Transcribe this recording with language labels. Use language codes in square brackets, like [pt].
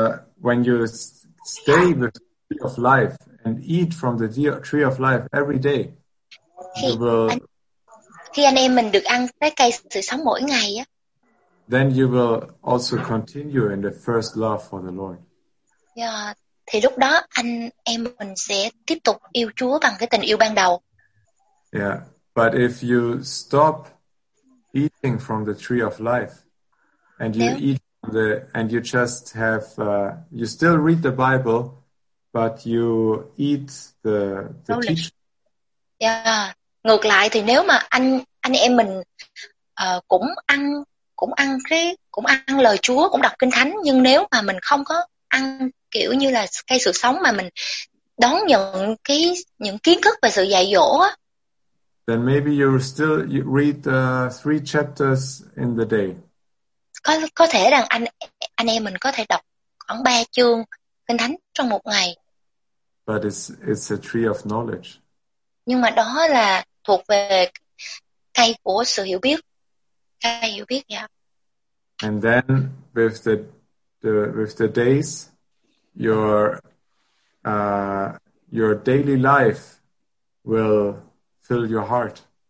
[en] When you stay with the tree of life and eat from the tree of life every day. [vi] Khi anh em mình được ăn trái cây sự sống mỗi ngày á. [en] Then you will also continue in the first love for the Lord. [vi] Yeah, thì lúc đó anh em mình sẽ tiếp tục yêu Chúa bằng cái tình yêu ban đầu. [en] Yeah, but if you stop eating from the tree of life and you eat from the and you just have you still read the Bible but you eat the teaching. [vi] Yeah, ngược lại thì nếu mà anh em mình cũng ăn lời Chúa, cũng đọc Kinh Thánh, nhưng nếu mà mình không có ăn kiểu như là cây sự sống mà mình đón nhận cái những kiến thức và sự dạy dỗ á. [en] Then maybe you still read 3 chapters in the day. [vi] Có thể rằng anh em mình có thể đọc khoảng 3 chương Kinh Thánh trong một ngày. [en] But it's a tree of knowledge. [vi] Nhưng mà đó là thuộc về cây của sự hiểu biết. Cây hiểu biết dạ. Yeah. [en] And then with the days your daily life will fill your heart.